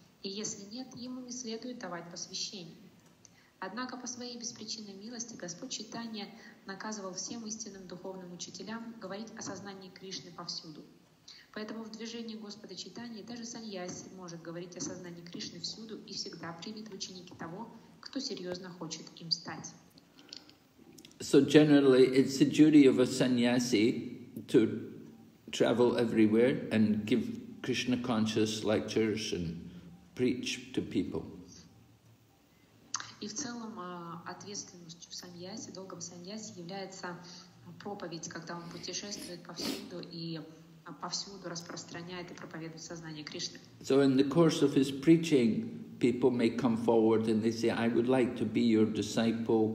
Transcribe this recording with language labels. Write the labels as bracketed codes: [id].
[ru] И если нет, ему не следует давать посвящение. Однако по своей беспричинной милости Господь Чайтанья наказывал всем истинным духовным учителям говорить о сознании Кришны повсюду. Поэтому в движении Господа Чайтаньи даже саньяси может говорить о сознании Кришны всюду и всегда примет в ученики того, кто серьезно хочет им стать. [en] So generally, it's the duty of a sannyasi to travel everywhere and give Krishna conscious lectures and preach to people. [ru] И в целом ответственностью в саньясе, долгом саньяси является проповедь, когда он путешествует повсюду и повсюду распространяет и проповедует сознание Кришны. [en] So in the course of his preaching, people may come forward and they say, "I would like to be your disciple.